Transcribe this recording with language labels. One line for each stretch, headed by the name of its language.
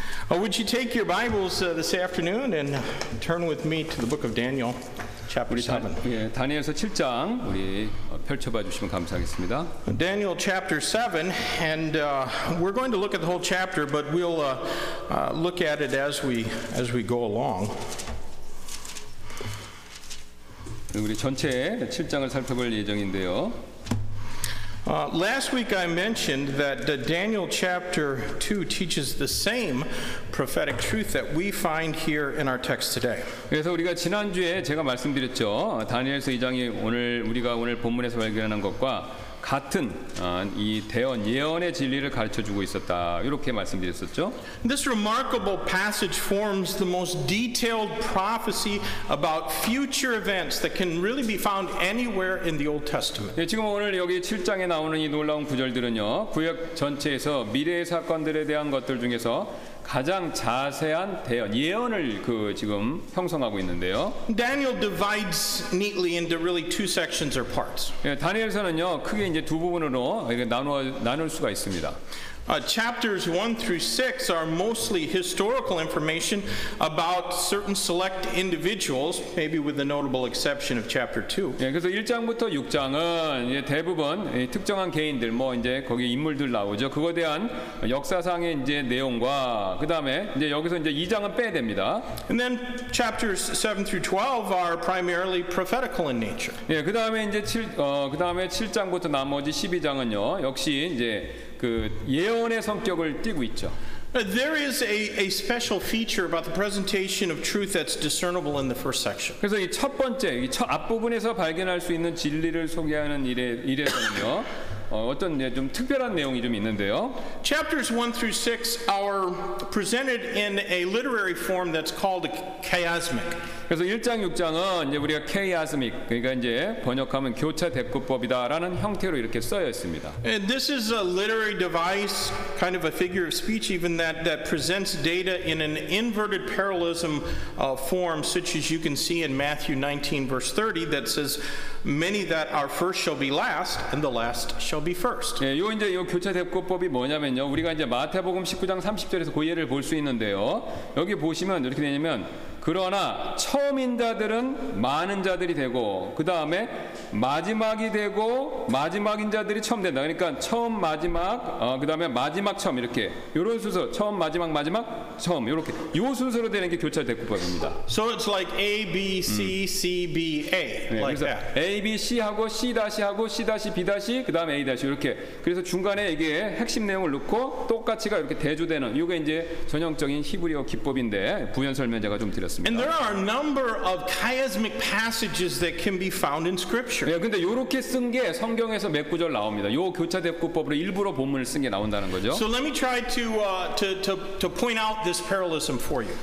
English: Oh, would you take your Bibles this afternoon and turn with me to the book of Daniel, chapter 7.
Korean: 다니엘서 7장 우리 펼쳐봐 주시면 감사하겠습니다.
English: Daniel chapter 7, and we're going to look at the whole chapter, but we'll look at it as we go along.
Korean: 우리 전체 7장을 살펴볼 예정인데요.
English: Last week I mentioned that Daniel chapter 2 teaches the same prophetic truth that we find here in our text today.
Korean: 그래서 우리가 지난주에 제가 말씀드렸죠. 다니엘서 2장이 우리가 오늘 본문에서 발견한 것과 같은 이 대언 예언의 진리를 가르쳐 주고 있었다. 이렇게 말씀드렸었죠.
English: This remarkable passage forms the most detailed prophecy about future events that can really be found anywhere in the Old Testament.
Korean: 예, 지금 오늘 여기 7장에 나오는 이 놀라운 구절들은요. 구약 전체에서 미래의 사건들에 대한 것들 중에서 가장 자세한 대언 예언을 그 지금 형성하고 있는데요.
English: Daniel divides neatly into really two sections or parts.
Korean: 예, 다니엘서는요. 크게 이제 두 부분으로 이렇게 나눌 수가 있습니다.
English: Chapters 1 through 6 are mostly historical information about certain select individuals, maybe with the notable exception of chapter 2.
Korean: 예, 그래서 1장부터 6장은 이제 대부분 특정한 개인들, 뭐 이제 거기 인물들 나오죠. 그거에 대한 역사상의 이제 내용과 그다음에 이제 여기서 이제 2장은 빼야 됩니다.
English: And then chapters 7 through 12 are primarily prophetical in nature.
Korean: 예, 그다음에 이제 그다음에 7장부터 나머지 12장은요. 역시 이제 그 예언의 성격을 띠고 있죠.
English: There is a special feature about the presentation of truth that's discernible in the first section.
Korean: 그래서 이 첫 번째, 이 첫 앞부분에서 발견할 수 있는 진리를 소개하는 일에서는요. 어떤 좀 특별한 내용이 좀 있는데요.
English: Chapters 1 through 6 are presented in a literary form that's called chiasmic.
Korean: 그래서 1장 6장은 이제 우리가 chiasmic 그러니까 이제 번역하면 교차 대꾸법이다라는 형태로 이렇게 써여 있습니다.
English: And this is a literary device, kind of a figure of speech even that presents data in an inverted parallelism form such as you can see in Matthew 19 verse 30 that says many that are first shall be last and the last shall be first.
Korean: 예, 요 이제 요 교차 대꾸법이 뭐냐면요. 우리가 이제 마태복음 19장 30절에서 그 예를 볼 수 있는데요. 여기 보시면 이렇게 되냐면 그러나 처음인 자들은 많은 자들이 되고 그 다음에 마지막이 되고 마지막인 자들이 처음 된다. 그러니까 처음 마지막 그 다음에 마지막 처음 이렇게 이런 순서 처음 마지막 처음 이렇게 이 순서로 되는 게 교차 대꾸법입니다.
English: So it's like A B C C B A
Korean: 네,
English: like that.
Korean: A B C 하고 C 다시 하고 C 다시 B 다시 그 다음에 A 다시 이렇게 그래서 중간에 이게 핵심 내용을 넣고 똑같이가 이렇게 대조되는 이게 이제 전형적인 히브리어 기법인데 부연 설명제가 좀
English: And there are a number of chiasmic passages that can be found in Scripture.
Korean: 예, 근데 이렇게 쓴 게 성경에서 몇 구절 나옵니다. 요 교차 대꾸법으로 일부러 본문을 쓴 게 나온다는 거죠.
English: So let me try to point out this parallelism for you.